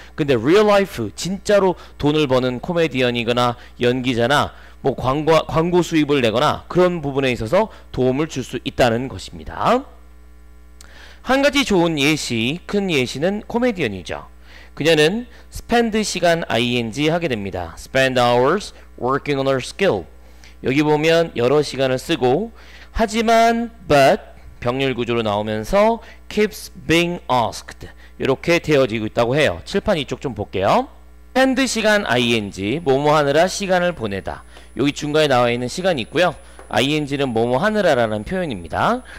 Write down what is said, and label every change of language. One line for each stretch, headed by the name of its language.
Korean: 근데
English: real life,
Korean: 진짜로 돈을 버는 코미디언이거나 연기자나 뭐 광고 수입을 내거나 그런 부분에 있어서 도움을 줄 수 있다는 것입니다. 한 가지 좋은 예시, 큰 예시는 코미디언이죠. 그녀는 spend 시간 ing 하게 됩니다.
English: spend hours working on her skill.
Korean: 여기 보면 여러 시간을 쓰고 하지만 but 병렬 구조로 나오면서
English: keeps being asked
Korean: 이렇게 되어지고 있다고 해요. 칠판 이쪽 좀 볼게요. spend 시간 ing, 뭐뭐 하느라 시간을 보내다. 여기 중간에 나와 있는 시간이 있고요. ing는 뭐뭐 하느라 라는 표현입니다.